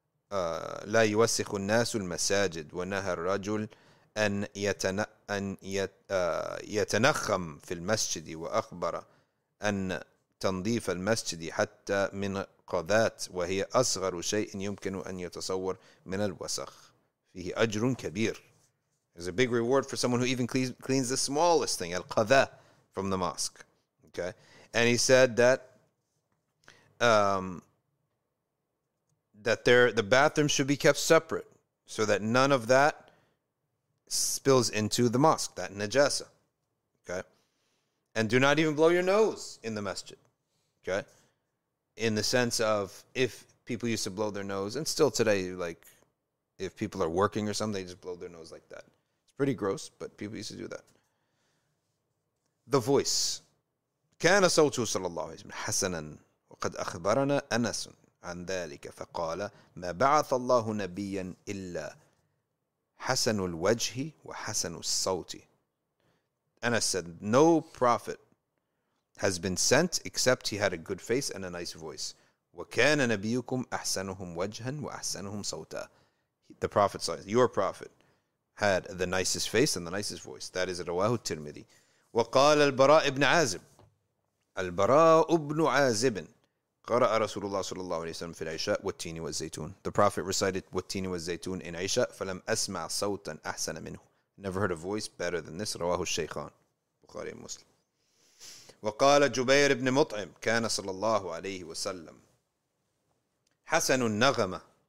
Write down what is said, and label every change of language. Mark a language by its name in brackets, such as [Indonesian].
[Arabic] La yusakhu an-nas al-masajid wa nahar ar-rajul أن يتنخم في المسجد وأخبر أن تنظيف المسجد حتى من قذات وهي أصغر شيء يمكن أن يتصور من الوسخ فيه أجر كبير. [English] There's a big reward for someone who even cleans the smallest thing, القذاء, from the mosque. Okay, and he said that the bathroom should be kept separate so that none of that spills into the mosque, that najasa. Okay. And do not even blow your nose in the masjid. Okay. In the sense of, if people used to blow their nose, and still today, like, if people are working or something, they just blow their nose like that. It's pretty gross, but people used to do that. The voice. [Arabic] كان صوته صلى الله عليه وسلم حسنا وقد أخبرنا أنس عن ذلك فقال ما بعث الله نبيا إلا حسن الوجه وحسن الصوت. [English] Anas said, no prophet has been sent except he had a good face and a nice voice. [Arabic] وكان نبيكم أحسنهم وجها وأحسنهم صوتا. [English] The prophet, your prophet, had the nicest face and the nicest voice. That is [Arabic] رواه الترمذي. وقال البراء بن عازب. البراء بن عازب قرأ رسول الله صلى الله عليه وسلم في العشاء والتين والزيتون. [English] The Prophet recited [Arabic] والتين والزيتون [English] in عشاء. [Arabic] فلم أسمع صوتا أحسن منه. [English] Never heard a voice better than this. [Arabic] رواه الشيخان بخاري مسلم. وقال جبير بن مطعم كان صلى الله عليه وسلم حسن النغمة.